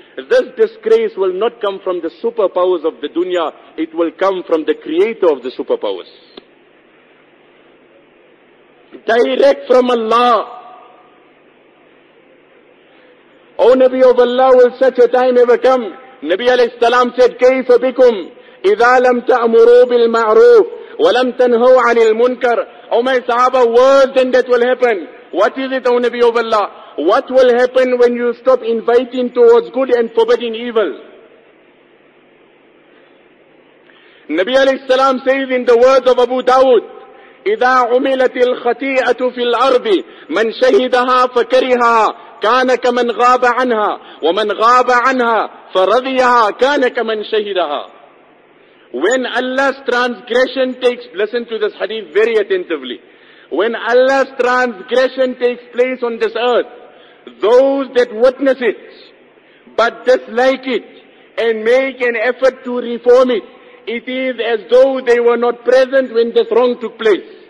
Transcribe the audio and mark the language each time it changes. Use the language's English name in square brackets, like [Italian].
[English] This disgrace will not come from the superpowers of the dunya. It will come from the creator of the superpowers. Direct from Allah. O Nabi of Allah, will such a time ever come? Nabi alayhi salam said, [Arabic] كيف بكم إذا لم تأمروا بالمعروف ولم تنهوا عن المنكر. [English] O my Sahaba, worse than that will happen. What is it, O Nabi of Allah? What will happen when you stop inviting towards good and forbidding evil? Nabi alayhi salam says in the words of Abu Dawud, [Arabic] إِذَا عُمِلَتِ الْخَطِيئَةُ فِي الْأَرْضِ مَنْ شَهِدَهَا فَكَرِهَهَا كَانَكَ مَنْ غَابَ عَنْهَا وَمَنْ غَابَ عَنْهَا فَرَضِيَهَا كَانَكَ مَنْ شَهِدَهَا. [English] When Allah's transgression takes, listen to this hadith very attentively. When Allah's transgression takes place on this earth, those that witness it, but dislike it, and make an effort to reform it, it is as though they were not present when this wrong took place.